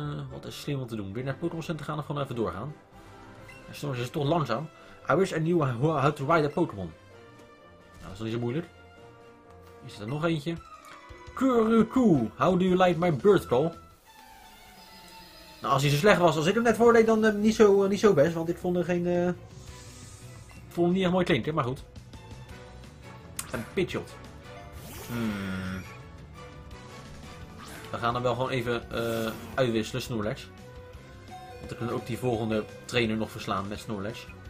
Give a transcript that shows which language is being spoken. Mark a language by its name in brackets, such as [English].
[Dutch] Wat is slim om te doen. Winnaar Pokémon Center gaan of gewoon even doorgaan. Snorlax is toch langzaam. [English] I wish I knew how to ride a Pokémon. [Dutch] Nou, dat is niet zo moeilijk. Is er nog eentje? [English] Kuroku, how do you like my bird call? [Dutch] Nou, als hij zo slecht was als ik hem net voordeed, dan niet zo best. Want ik vond er geen... Ik vond hem niet echt mooi klinken, maar goed. En Pidgeot. We gaan hem wel gewoon even uitwisselen, Snorlax. Want dan kunnen we ook die volgende trainer nog verslaan met Snorlax.